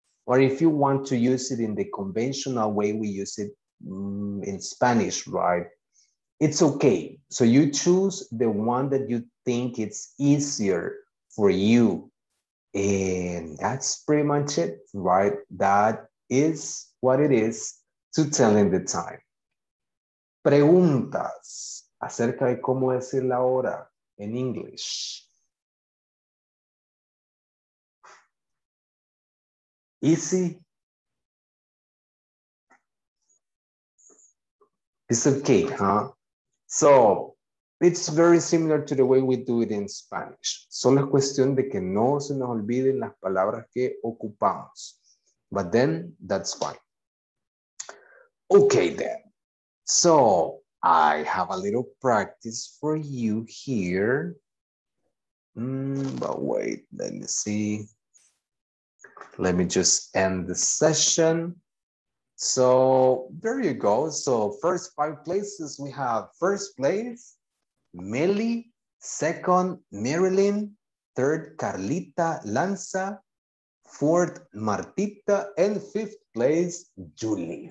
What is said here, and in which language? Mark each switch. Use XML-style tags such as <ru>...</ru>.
<en>Or if you want to use it in the conventional way, we use it in Spanish, right? It's okay. So you choose the one that you think it's easier for you. And that's pretty much it, right? That is what it is to tell in the time.</en> <es>Preguntas acerca de cómo decir la hora</es> <en>in English. Easy. It's okay, huh? So it's very similar to the way we do it in Spanish.</en> <es>Solo es cuestión de que no se nos olviden las palabras que ocupamos.</es> <en>But then that's fine. Okay, then. So I have a little practice for you here. But wait, let me see. Let me just end the session. So there you go. So first five places we have first place, Millie, second, Marilyn, third, Carlita Lanza, fourth, Martita, and fifth place, Julie.</en>